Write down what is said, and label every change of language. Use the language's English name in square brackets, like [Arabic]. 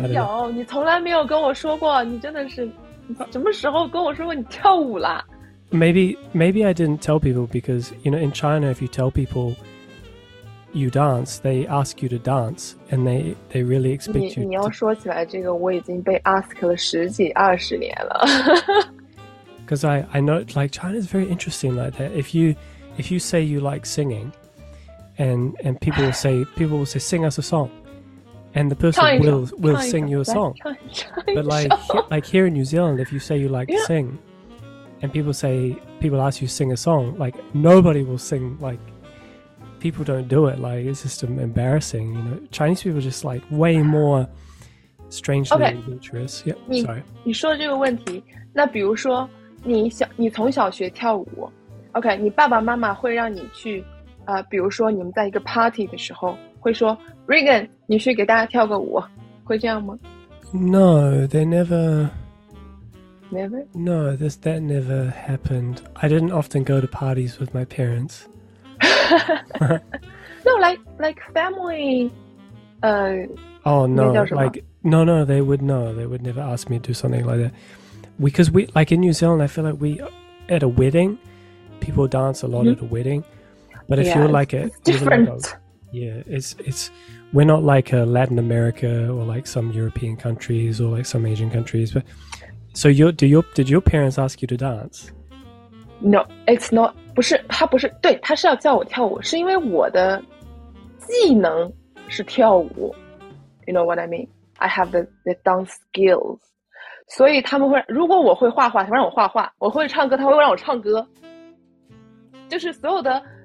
[Chinese] 没有，你从来没有跟我说过，你真的是什么时候跟我说过你跳舞了？ [English] Maybe I didn't tell people because, you know, in China, if you tell people,you dance, they ask you to dance, and they really expect you. [Chinese] 你要说起来这个，我已经被 ask 了十几二十年了。 [English] Because I know, like China is very interesting like that. If you say you like singing, and people will say sing us a song, And the person will sing you a song. But like here in New Zealand, if you say you like to sing, and people ask you to sing a song, like nobody will sing, like people don't do it. Like it's just embarrassing, you know. Chinese people just like way more strangely adventurous. Yep, sorry. [Chinese] 你说的这个问题，那比如说你从小学跳舞，OK，你爸爸妈妈会让你去，比如说你们在一个 party 的时候会说 Regan，你去给大家跳个舞，会这样吗 [English] ？No, they never. Never. No, that never happened. I didn't often go to parties with my parents. No, like family. Oh no, like no, they would know. They would never ask me to do something like that. Because we like in New Zealand, I feel like we at a wedding, people dance a lot at a wedding. But if you're like it's different. Yeah, it's we're not like a Latin America or like some European countries or like some Asian countries. But so did your parents ask you to dance? No, it's not. [Chinese] 不是，他不是，对，他是要叫我跳舞，是因为我的技能是跳舞。 [English] You know what I mean? I have the dance skills. [Chinese] 所以他们会，如果我会画画，他会让我画画；我会唱歌，他会让我唱歌。就是所有的。